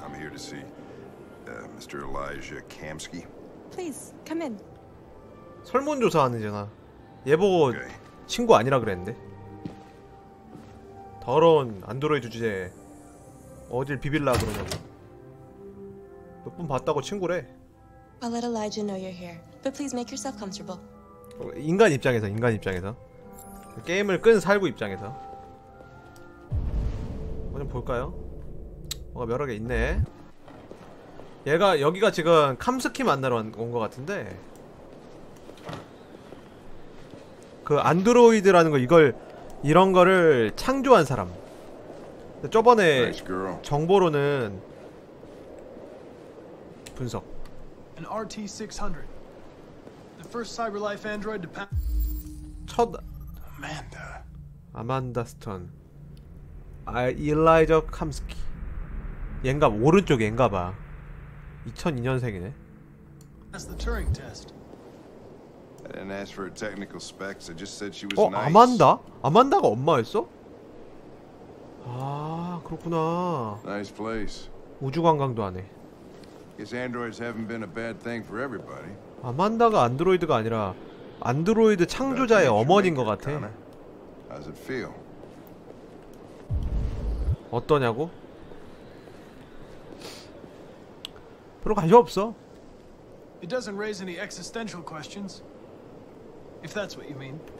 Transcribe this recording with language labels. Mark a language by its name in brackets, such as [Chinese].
[English] I'm here to see Mr. Elijah Kamsky. Please come in. [Korean] 설문조사 하는잖아. 얘 보고 okay. 친구 아니라 그랬는데. 더러운 안드로이드 주제에 어딜 비빌라 그러냐고. 몇 분 봤다고 친구래. [English] I'll let Elijah know you're here, but please make yourself comfortable. [Korean] 인간 입장에서, 인간 입장에서 게임을 끈 살구 입장에서 뭐 좀 볼까요? 뭐가 여러 개 있네. 얘가 여기가 지금 캄스키 만나러 온 것 같은데 그 안드로이드라는 거 이걸 이런 거를 창조한 사람. 저번에 정보로는 분석. [English] An RT600. The first cyberlife android to pass. [Korean] 첫 아만다. 아만다 스턴. 아 일라이저 캄스키. 얘인가 오른쪽인가 봐. 2002년생이네. [English] That's the Turing test. I didn't ask for her technical specs. I just said she was 어, nice. [Korean] 아만다? 아만다가 엄마였어? 아, 그렇구나. [English] Nice place. [Korean] 우주 관광도 하네. [English] Guess androids haven't been a bad thing for everybody. [Korean] 아만다가 안드로이드가 아니라 안드로이드 창조자의 어머니인 것 같아. [English] How's it feel? [Korean] 어떠냐고? 별로 관심 없어. [English] It doesn't raise any existential questions. If that's what you mean.